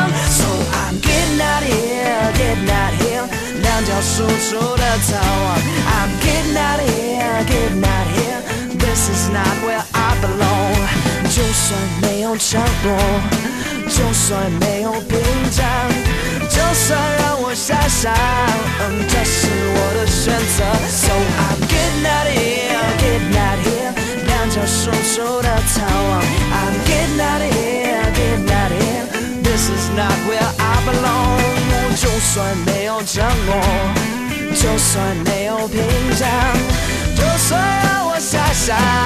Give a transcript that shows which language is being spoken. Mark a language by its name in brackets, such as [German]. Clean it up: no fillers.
[English] So I'm getting out of here, getting out of here, [Chinese] 两脚输出的逃亡。 [English] I'm getting out of here, getting out of here, This is not where I belong. [Chinese] 就算没有承诺，就算没有屏障，就算让我遐想，这是我的选择。 [English] So I'm getting out of here, getting out of here, [Chinese] 两脚双手的逃亡。 [English] I'm getting out of here, getting out of here, This is not where I belong. [Chinese] 就算没有承诺，就算没有屏障，就算让我遐想。